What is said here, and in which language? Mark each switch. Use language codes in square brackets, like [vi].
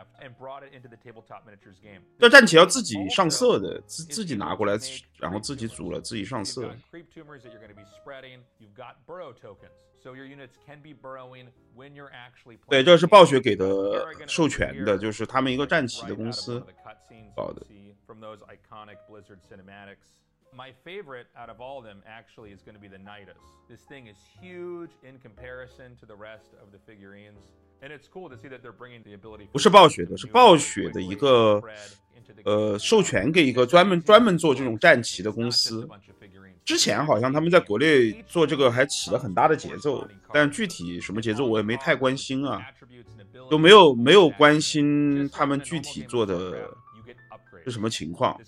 [en] And brought it into the tabletop miniatures game. [zh] 这战旗要自己上色的，自己拿过来，然后自己组了，自己上色。 [en] You've got creep tumors that you're going to be spreading. You've got burrow tokens. So your units can be burrowing when you're actually playing. [zh] 对，这是暴雪给的授权的，就是他们一个战旗的公司搞的。 [en] From those iconic Blizzard cinematics, my favorite out of all of them actually is going to be the Nidus. This thing is huge in comparison to the rest of the figurines, and it's cool to see that they're bringing the ability. [zh] 不是暴雪的，是暴雪的一个授权给一个专门做这种战旗的公司。之前好像他们在国内做这个还起了很大的节奏，但具体什么节奏我也没太关心啊，就没有关心他们具体做的是什么情况。